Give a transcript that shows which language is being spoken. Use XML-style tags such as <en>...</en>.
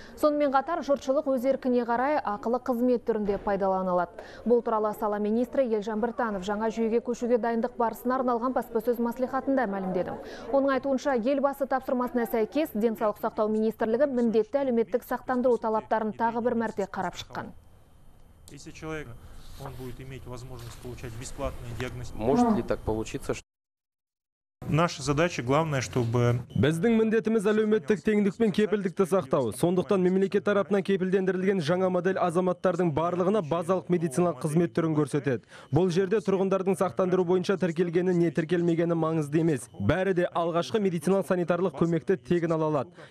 <kk>Сонымен қатар жұртшылық өз еркіне қарай ақылы қызмет түрінде пайдалана алады. Бұл туралы сала министрі Елжан Біртанов жаңа жүйеге көшуге дайындық барысына арналған баспасөз мәслихатында мәлімдеді. Оның айтуынша, елбасы тапсырмасына сәйкес денсаулық сақтау министрлігі міндетті әлеуметтік сақтандыру талаптарын тағы бір мәрте қарап шыққан.</kk> <ru>Если человек, он будет иметь возможность получать бесплатный диагностику. Может ли так получиться, что... Наша задача главное, чтобы...</ru> <kk>Біздің міндетіміз әлеуметтік теңдік пен кепілдікті сақтау. Сондықтан мемлекет тарапынан кепілдендірілген жаңа модель азаматтардың барлығына базалық медициналық қызмет түрін көрсетеді. Бұл жерде тұрғындардың сақтандыру бойынша тіркелгені не тіркелмегені маңызды емес. Бәрі де алғашқы медициналық санитарлық көмекті тегін ала алады.</kk>